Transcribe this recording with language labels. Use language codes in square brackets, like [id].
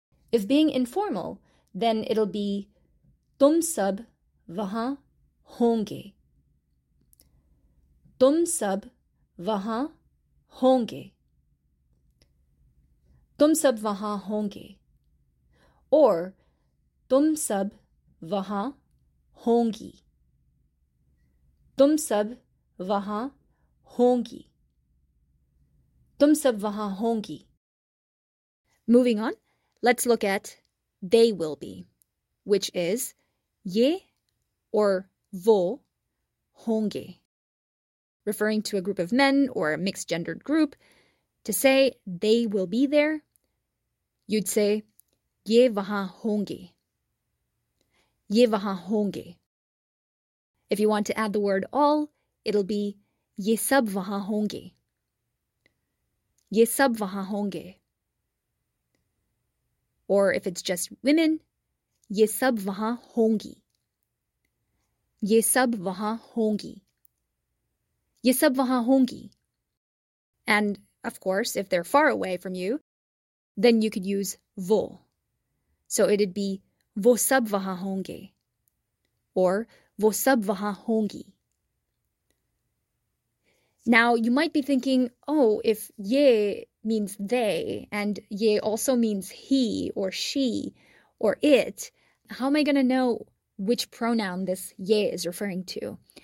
[en] If being informal, then it'll be [hi] तुम सब वहा होंगे. तुम सब वहा होंगे. तुम सब वहा होंगे. [en] Or [hi] तुम सब वहा होंगी. तुम सब वहा होंगी. Tum sab vaha hongi. [en] Moving on, let's look at they will be, which is [hi] ye or vo honge. [en] Referring to a group of men or a mixed gendered group, to say they will be there, you'd say [hi] ye vaha honge. ये वहा होंगे. [en] If you want to add the word all, it'll be [hi] ye sab vaha honge. ये सब वहा होंगे. [en] Or if it's just women, [hi] ye sab vaha hongi. ये सब वहा होंगी. Ye sab vaha hongi. [en] And of course, if they're far away from you, then you could use vo. So it'd be [hi] vo sab vaha hongi. [en] Or [hi] vo sab vaha hongi. [en] Now you might be thinking, oh, if ye means they, and ye also means he or she or it, how am I going to know which pronoun this ye is referring to?